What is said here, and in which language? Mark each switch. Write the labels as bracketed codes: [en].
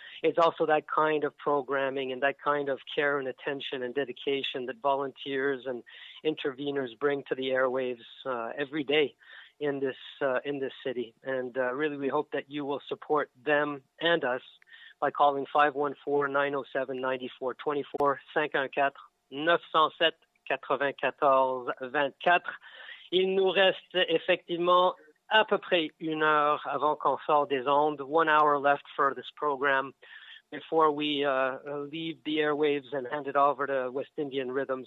[en] It's also that kind of programming and that kind of care and attention and dedication that volunteers and interveners bring to the airwaves every day in this city. And really, we hope that you will support them and us by calling 514-907-9424-514-907-9424. [fr] Il nous reste effectivement à peu près une heure avant qu'on sorte des ondes. [en] 1 hour left for this program before we leave the airwaves and hand it over to West Indian Rhythm.